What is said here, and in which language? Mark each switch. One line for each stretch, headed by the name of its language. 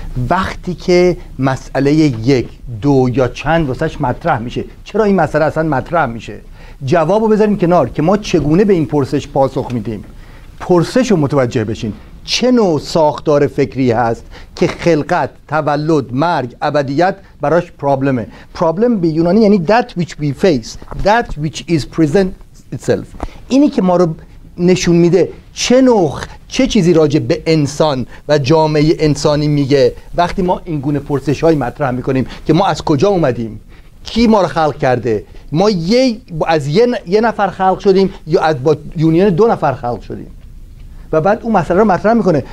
Persian: وقتی که مسئله یک، دو یا چند واسش مطرح میشه، چرا این مسئله اصلا مطرح میشه، جوابو بذاریم کنار، که ما چگونه به این پرسش پاسخ میدیم، پرسشو متوجه بشین، چه نوع ساختار فکری هست که خلقت، تولد، مرگ، ابدیت براش پرابلمه. پرابلم به یونانی یعنی
English: that which we face, that which is present itself.
Persian: اینی که ما رو نشون میده چه نوع، چه چیزی راجع به انسان و جامعه انسانی میگه، وقتی ما این گونه پرسش های مطرح میکنیم که ما از کجا اومدیم، کی ما رو خلق کرده، ما یه نفر خلق شدیم یا از با یونین دو نفر خلق شدیم، و بعد اون مسئله رو مطرح میکنه.